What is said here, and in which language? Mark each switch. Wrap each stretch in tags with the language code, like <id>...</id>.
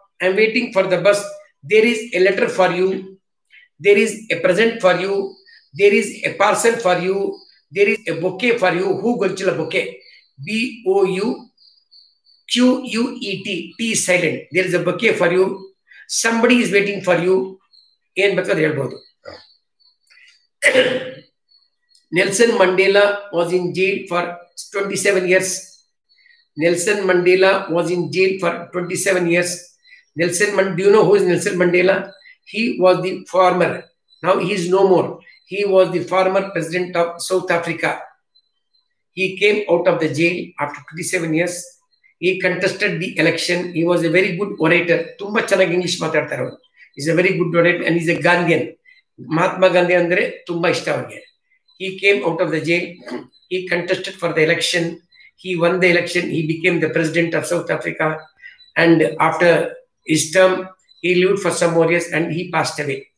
<en>I am waiting for the bus. There is a letter for you, there is a present for you, there is a parcel for you, there is a bouquet for you. Who gochila bouquet? B O U Q U E T, T silent. There is a bouquet for you. Somebody is waiting for you.</en> <kn>ಏನ್ ಬೇಕಾದ್ರೆ ಹೇಳ್ಬಹುದು.</kn> <en>Nelson Mandela was in jail for 27 years. Nelson Mandela was in jail for 27 years. Nelson ಮಂಡ್, do you know who is Nelson Mandela? He was the former, now he is no more. He was the former president of South Africa. He came out of the jail after 27 years. He contested the election. He was a very good orator.</en> <kn>Tumba chanagi English maatadtaru.</kn> <en>He's a very good orator and he's a Gandhian. Mahatma Gandhi</en> <kn>andre tumba ishta avage.</kn> <en>He came out of the jail. He contested for the election. He won the election. He became the president of South Africa. And after his term, he lived for some more years and he passed away.</en>